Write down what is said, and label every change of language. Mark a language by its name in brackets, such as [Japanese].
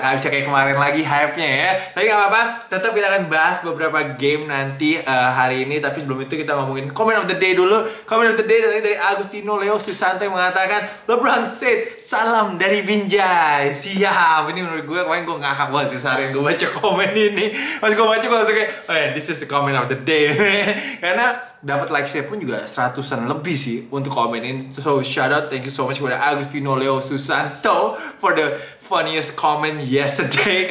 [Indonesian] Gak bisa kayak kemarin lagi hype-nya ya. Tapi gak apa-apa, tetap kita akan bahas beberapa game nanti hari ini. Tapi sebelum itu kita ngomongin [English] comment of the day [Indonesian] dulu. [English] Comment of the day [Indonesian] datang dari Agustino Leo Susanto yang mengatakan, [English] LeBron said, [Indonesian] salam dari Binjai. Siap. Ini menurut gue, kemarin gue ngakak banget sih seharian gue baca komen ini. Pas gue baca, gue langsung kayak, [English] oh yeah, this is the comment of the day. [Indonesian] Karena dapat like share pun juga 100-an lebih sih untuk komenin. [English] So shout out, thank you so much [Indonesian] kepada [English] Agustino Leo Susanto for the funniest comment yesterday.